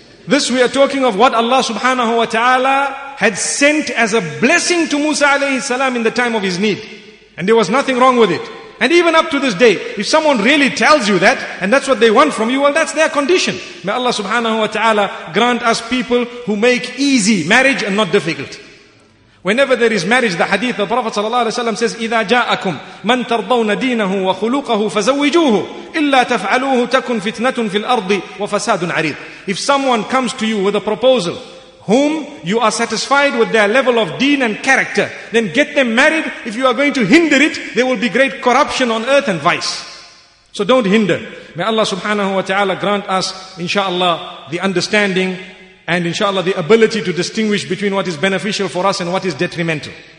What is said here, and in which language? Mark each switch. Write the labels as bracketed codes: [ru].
[en] This we are talking of what Allah subhanahu wa ta'ala had sent as a blessing to Musa alayhi salam in the time of his need. And there was nothing wrong with it. And even up to this day, if someone really tells you that, and that's what they want from you, well, that's their condition. May Allah subhanahu wa ta'ala grant us people who make easy marriage and not difficult. Whenever there is marriage, the hadith of Prophet sallallahu alaihi wasallam says, [ar] إِذَا جَاءَكُمْ مَنْ تَرْضَوْنَ دِينَهُ وَخُلُوقَهُ فَزَوِّجُوهُ إِلَّا تَفْعَلُوهُ تَكُنْ فِتْنَةٌ فِي الْأَرْضِ وَفَسَادٌ عَرِيدٌ. [en] If someone comes to you with a proposal whom you are satisfied with their level of deen and character, then get them married. If you are going to hinder it, there will be great corruption on earth and vice. So don't hinder. May Allah subhanahu wa ta'ala grant us, inshallah, the understanding and inshallah the ability to distinguish between what is beneficial for us and what is detrimental.